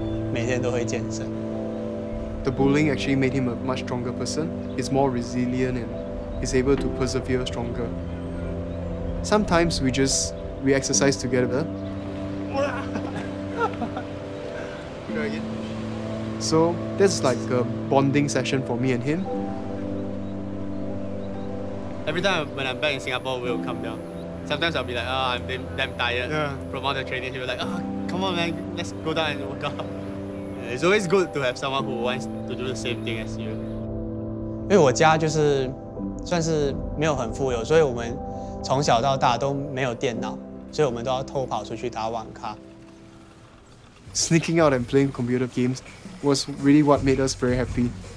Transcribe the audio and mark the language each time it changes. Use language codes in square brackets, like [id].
[zh] 所以当时算是非常非常瘦小，然后我觉得自己当时也蛮常被欺负，所以我也开始就健身，然后自从13岁开始就每天都会健身。 [en] The bullying actually made him a much stronger person. He's more resilient and he's able to persevere stronger. Sometimes we exercise together. So this is like a bonding session for me and him. Every time when I'm back in Singapore, we'll come down. Sometimes I'll be like, oh, I'm damn tired from all the training. He'll be like, oh, come on, man, let's go down and work out. It's always good to have someone who wants to do the same thing as you. [zh] 因为我家就是算是没有很富有，所以我们从小到大都没有电脑，所以我们都要偷跑出去打网咖。 [en] Sneaking out and playing computer games was really what made us very happy.